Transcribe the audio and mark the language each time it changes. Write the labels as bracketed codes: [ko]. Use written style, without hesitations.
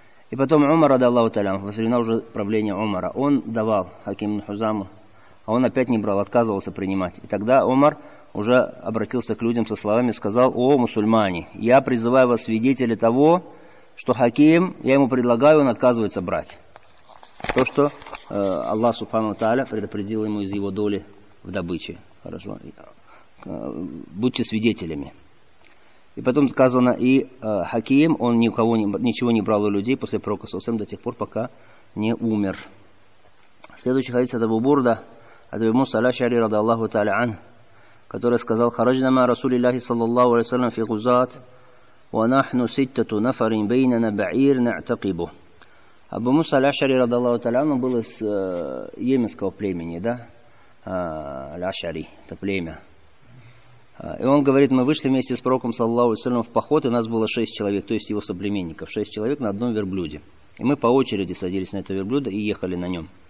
[ru] И потом Умар рада Аллаху та'аля ан, во времена уже правления Умара, он давал Хаким ибн Хизаму, а он опять не брал, отказывался принимать. И тогда Умар уже обратился к людям со словами, сказал: «О мусульмане, я призываю вас свидетели того, что Хаким, я ему предлагаю, он отказывается брать то, что Аллах субхану тааля предопределил ему из его доли в добыче. Хорошо. Будьте свидетелями». И потом сказано, и Хаким, он никого ничего не брал у людей после пророка саллаллаху алейхи ва саллям до тех пор, пока не умер. Следующий хадис от Абу Бурда, от Абу Муса аль-Ашъари рада Аллаху тааля ан, который сказал: [ar] خرجنا مع رسول الله صلى الله عليه وسلم في غزاة ونحن ستة نفر بيننا بعير نعتقبه. [ru] Абу Муса аль-Ашъари рада Аллаху тааля ан был из йеменского племени, да, аль-Ашъари, это племя. И он говорит: мы вышли вместе с пророком саллаллаху алейхи ва саллям в поход, и нас было 6 человек, то есть его соплеменников, 6 человек на одном верблюде. И мы по очереди садились на это верблюдо и ехали на нем.